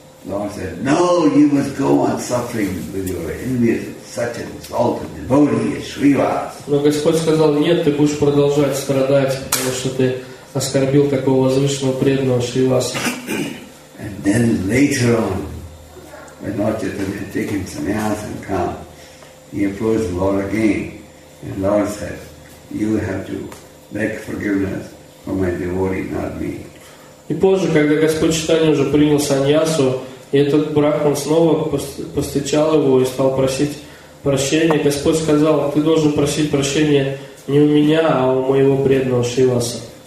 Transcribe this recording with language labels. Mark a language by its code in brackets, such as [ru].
[en] Lord said, "No, you must go on suffering with your envious, such an exalted devotee as Shrivas." [ru] Но Господь сказал: нет, ты будешь продолжать страдать, потому что ты оскорбил такого возвышенного преданного Шриваса. [en] And then later on, when Lord Chaitanya had taken sannyas and come, he approached the Lord again, and Lord said, "You have to beg forgiveness for my devotee, not me." [ru] И позже, когда Господь Читания уже принял саньясу, и этот брахман снова постучал его и стал просить прощения, Господь сказал: ты должен просить прощения не у меня, а у моего преданного Шриваса.